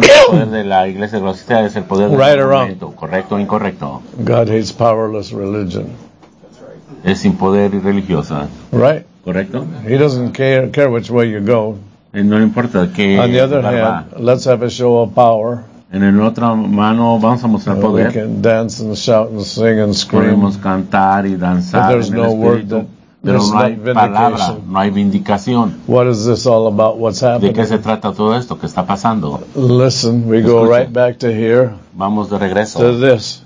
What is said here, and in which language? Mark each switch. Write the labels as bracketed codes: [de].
[es] Correcto o incorrecto. [en] God hates powerless religion. [es] Es sin poder y religiosa. [en] Right. [es] Correcto. [en] He doesn't care which way you go. [es] No importa que [en] on the other hand, let's have a show of power. [es] En el otra mano vamos a mostrar poder. [en] We can dance and shout and sing and scream. [es] Podemos cantar y danzar. [en] But there's no word that [es] pero no hay palabra, no hay vindicación. [en] What is this all about? What's happening? [es] ¿De qué se trata todo esto? ¿Qué está pasando? [en] Listen, we go right back to here. [es] Vamos de regreso. [en] To this.